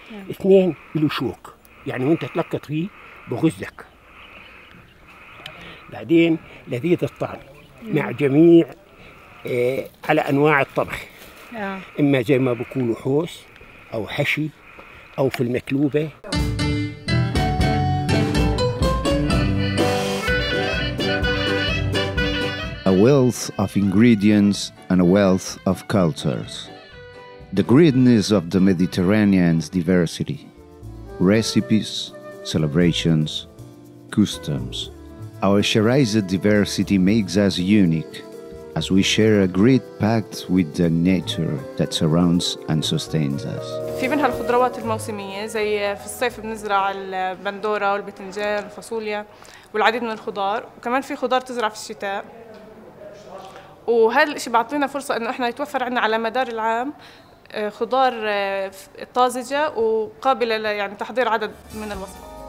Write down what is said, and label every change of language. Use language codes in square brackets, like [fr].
[ar] اثنين، له شوك، يعني وانت تلقط فيه بغزك. بعدين لذيذ الطعم مع جميع على أنواع الطبخ. إما زي ما بيقولوا حوس أو حشي أو في المقلوبة. [en] A wealth of ingredients and a wealth of cultures. The greatness of the Mediterranean's diversity. Recipes, celebrations, customs. Our Sharaized diversity makes us unique as we share a great pact with the nature that surrounds and sustains us. [ar] في منها الخضروات الموسمية زي في الصيف بنزرع البندورة والبتنجان والفاصوليا والعديد من الخضار وكمان في خضار تزرع في الشتاء. وهذا الشيء بيعطينا فرصة إنه إحنا يتوفر عنا على مدار العام خضار طازجة وقابلة يعني تحضير عدد من الوصفات.